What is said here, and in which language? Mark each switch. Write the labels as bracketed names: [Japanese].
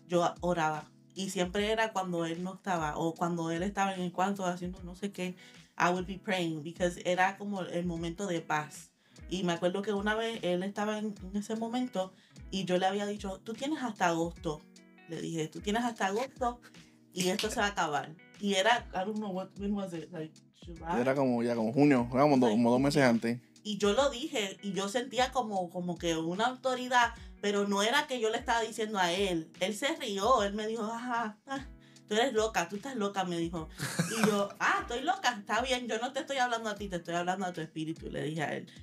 [Spanish] yo oraba. Y siempre era cuando él no estaba, o cuando él estaba en el cuarto haciendo no sé qué, [English] I would be praying, [Spanish] because era como el momento de paz. Y me acuerdo que una vez él estaba en ese momento, y yo le había dicho, tú tienes hasta agosto. Le dije, tú tienes hasta agosto, y esto se va a acabar. Y era, [English] I don't know what when was it, like, [Spanish] era como ya como junio, como 2 meses antes. Y yo lo dije y yo sentía como que una autoridad, pero no era que yo le estaba diciendo a él. Él se rió, él me dijo, ajá, tú eres loca, tú estás loca, me dijo. Y yo, estoy loca, está bien, yo no te estoy hablando a ti, te estoy hablando a tu espíritu, le dije a él.